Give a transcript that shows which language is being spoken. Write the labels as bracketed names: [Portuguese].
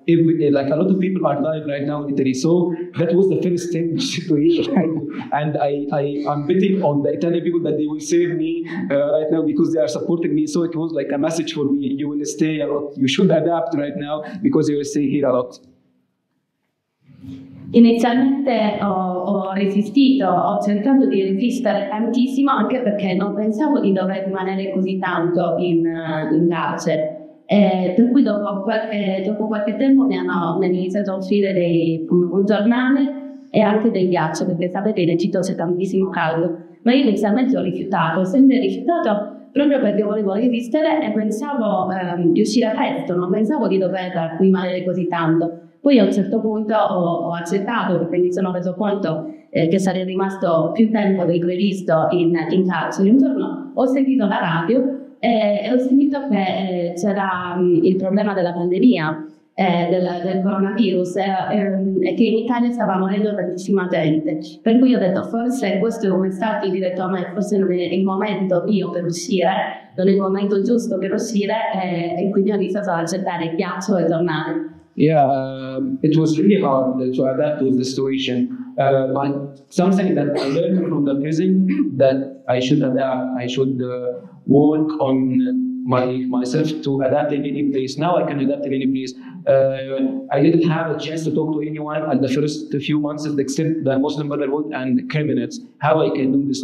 [English] Like a lot of people are dying right now in Italy. So that was the first stage situation. And I'm betting on the Italian people that they will save me right now because they are supporting me. So it was like a message for me. You will stay a lot. You should adapt right now because you will stay here a lot. [Italian] Inizialmente ho resistito, ho cercato di resistere tantissimo anche perché non pensavo di dover rimanere così tanto in carcere. Per cui dopo qualche tempo mi hanno iniziato a offrire un giornale e anche del ghiaccio, perché sapete in Egitto c'è tantissimo caldo. Ma io inizialmente ho sempre rifiutato proprio perché volevo resistere e pensavo di uscire presto, non pensavo di dover rimanere così tanto. Poi a un certo punto ho accettato, perché mi sono reso conto che sarei rimasto più tempo del previsto in carcere. Un giorno ho sentito la radio e ho sentito che c'era il problema della pandemia, del coronavirus, e che in Italia stava morendo tantissima gente. Per cui ho detto, forse questo è un messaggio diretto a me, forse non è il momento mio per uscire, non è il momento giusto per uscire, e quindi ho iniziato ad accettare il ghiaccio e tornare. [English] Yeah, it was really hard to adapt to the situation. But something that I learned from the prison that I should adapt, I should work on myself to adapt in any place. Now I can adapt in any place. I didn't have a chance to talk to anyone at the first few months except the Muslim Brotherhood and criminals. How I can do this?